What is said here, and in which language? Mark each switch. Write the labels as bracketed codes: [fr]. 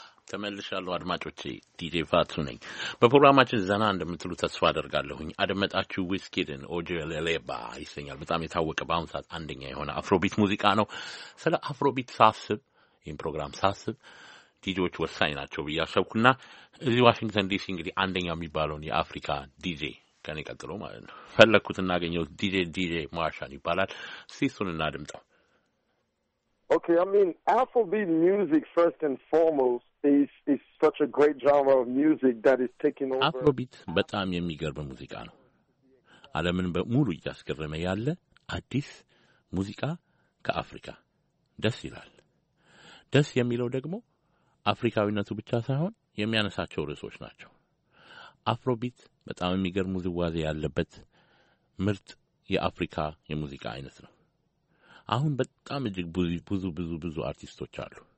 [am] ተመልሻለሁ አድማጮቼ፣ ዲጄ ፋቱ ነኝ። በፕሮግራማችን ዘና እንደምትሉ ተስፋ አደርጋለሁኝ። አደመጣችሁ ዊስኪድን ኦጆ ሌሌባ ይሰኛል። በጣም የታወቀ በአሁኑ ሰዓት አንደኛ የሆነ አፍሮቢት ሙዚቃ ነው። ስለ አፍሮቢት ሳስብ፣ ይህን ፕሮግራም ሳስብ ዲጄዎች ወሳኝ ናቸው ብዬ አሰብኩና እዚህ ዋሽንግተን ዲሲ እንግዲህ አንደኛው የሚባለውን የአፍሪካ ዲጄ ከኔ ቀጥሎ ማለት ነው ፈለግኩት እናገኘው። ዲጄ ማርሻን ይባላል። እስቲ እሱን እናድምጠው። [en] Okay, I mean, Afrobeat music, first and foremost, is such a great genre of music that is taking over. [am] Afrobeat, በጣም የሚገርም ሙዚቃ ነው። ዓለምን በሙሉ እያስገረመ ያለ አዲስ ሙዚቃ ከአፍሪካ ደስ ይላል። ደስ የሚለው ደግሞ አፍሪካዊነቱ ብቻ ሳይሆን የሚያነሳቸው ርዕሶች ናቸው። Afrobeat በጣም የሚገርም ውዝዋዜ ያለበት ምርጥ የአፍሪካ የሙዚቃ አይነት ነው። አሁን በጣም እጅግ ብዙ አርቲስቶች አሉ።